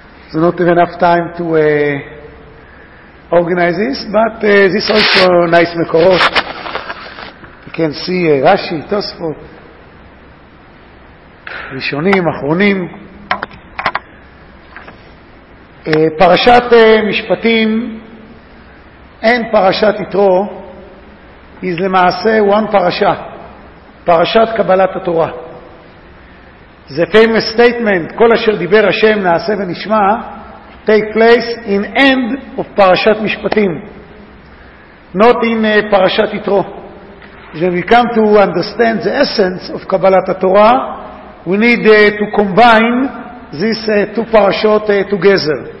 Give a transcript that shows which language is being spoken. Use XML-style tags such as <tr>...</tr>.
<en>So not have enough time to organize this, but this also nice מקורות. You can see Rashi, Tosfot, ראשונים, אחרונים.</en> <he>פרשת משפטים, אין פרשת יתרו, is למעשה one פרשה, פרשת קבלת התורה.</he> <en>The famous statement,</en> <he>כל אשר דיבר השם נעשה ונשמע,</he> <en>take place in end of פרשת משפטים, not in פרשת יתרו. When we come to understand the essence of קבלת התורה, we need to combine these two פרשות together.</en>